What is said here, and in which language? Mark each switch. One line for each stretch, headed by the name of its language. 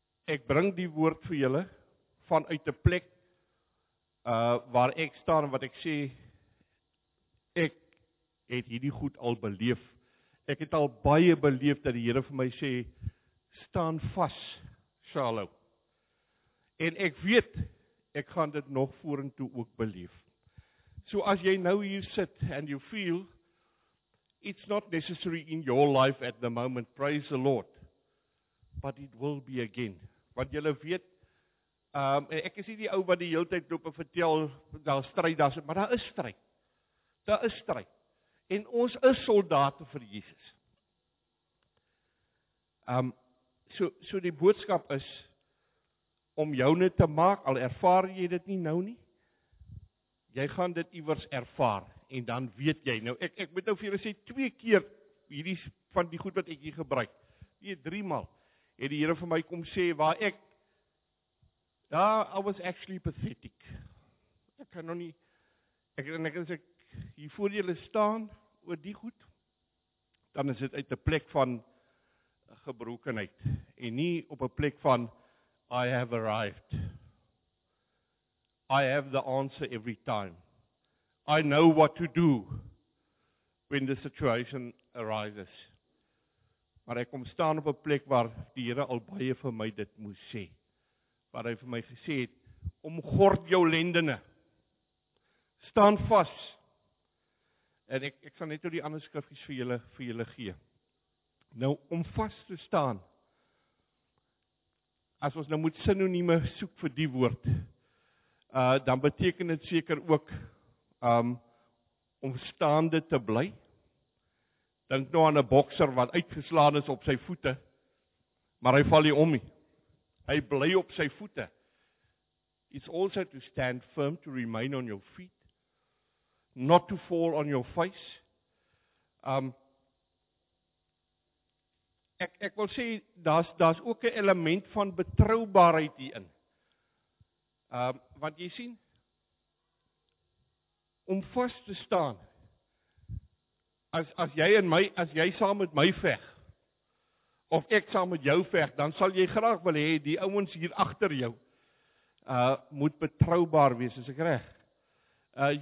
Afrikaans: Ek bring die woord vir julle vanuit 'n plek waar ek staan, wat ek sê, ek het hierdie goed al beleef. Ek het al baie beleef dat die Here vir my sê, staan vas, Shalom. En ek weet, ek gaan dit nog vorentoe ook beleef.
English: So
Afrikaans: as jy nou hier sit
English: and you feel it's not necessary in your life at the moment, praise the Lord, but it will be again.
Afrikaans: Want jy weet, ek is nie die ou wat die hele tyd loop en vertel daar's stryd, maar daar is stryd. Daar is stryd. En ons is soldate vir Jesus. So die boodskap is om jou net te maak, al ervaar jy dit nie nou nie, jy gaan dit iewers ervaar, en dan weet jy, nou ek moet nou vir julle sê, twee keer, hierdie van die goed wat ek hier gebruik, nie, drie maal, het die Here vir my kom sê, waar ek,
English: I was actually pathetic,
Afrikaans: ek kan nou nie, ek hier voor julle staan, oor die goed, dan is dit uit 'n plek van gebrokenheid, en nie op 'n plek van,
English: I have arrived. I have the answer every time. I know what to do when the situation arises.
Afrikaans: Maar ek kom staan op 'n plek waar die Here al baie vir my dit moes sê. Waar hy vir my gesê het, omgord jou lendene. Staan vas. En ek sal net die ander skrifgies vir julle gee. Nou, om vas te staan, as ons nou moet synonieme soek vir die woord, dan beteken dit seker ook om staande te bly. Dink nou aan 'n bokser wat uitgeslaan is op sy voete, maar hy val nie om nie. Hy bly op sy voete.
English: It's also to stand firm, to remain on your feet, not to fall on your face.
Afrikaans: Ek wil sê, daar's ook 'n element van betroubaarheid hierin. Want jy sien, om vas te staan, as jy saam met my veg, of ek saam met jou veg, dan sal jy graag wil hê die ouens hier agter jou moet betroubaar wees, as ek reg.